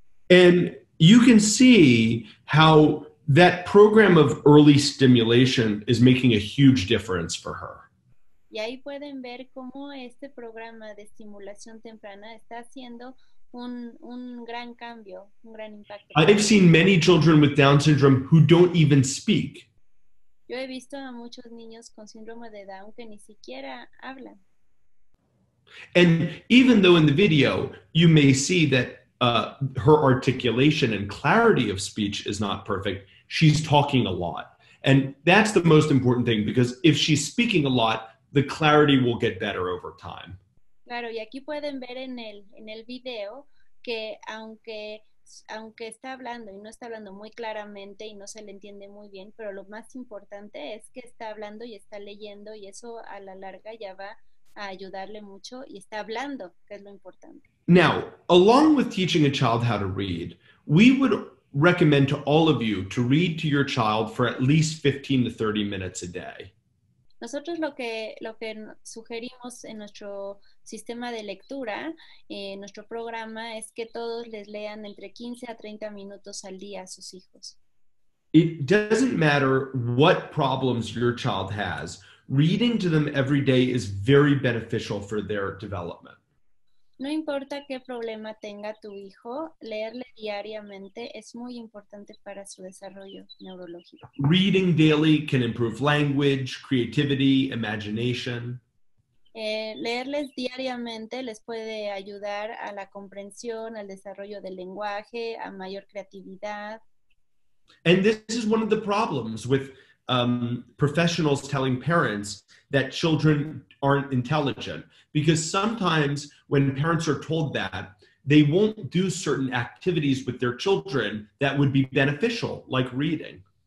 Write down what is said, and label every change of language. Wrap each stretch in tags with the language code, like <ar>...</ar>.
<en>And you can see how that program of early stimulation is making a huge difference for her.</en> <es>Y ahí pueden ver cómo este programa de estimulación temprana está haciendo un gran cambio, un gran impacto.</es> <en>I've seen many children with Down syndrome who don't even speak.</en> <es>Yo he visto a muchos niños con síndrome de Down que ni siquiera hablan.</es> <en>And even though in the video you may see that her articulation and clarity of speech is not perfect, she's talking a lot. And that's the most important thing, because if she's speaking a lot, the clarity will get better over time.</en> <es>Claro, y aquí pueden ver en el video que aunque está hablando y no está hablando muy claramente y no se le entiende muy bien, pero lo más importante es que está hablando y está leyendo, y eso a la larga ya va a ayudarle mucho, y está hablando, que es lo importante.</es> <en>Now, along with teaching a child how to read, we would recommend to all of you to read to your child for at least 15 to 30 minutes a day.</en> <es>Nosotros lo que sugerimos en nuestro sistema de lectura, en nuestro programa, es que todos les lean entre 15 a 30 minutos al día a sus hijos.</es> <en>It doesn't matter what problems your child has, reading to them every day is very beneficial for their development.</en> <es>No importa qué problema tenga tu hijo, leerle diariamente es muy importante para su desarrollo neurológico.</es> <en>Reading daily can improve language, creativity, imagination.</en> <es>Leerles diariamente les puede ayudar a la comprensión, al desarrollo del lenguaje, a mayor creatividad.</es> <en>And this is one of the problems with professionals telling parents that children aren't intelligent, because sometimes when parents are told that, they won't do certain activities with their children that would be beneficial, like reading.</en>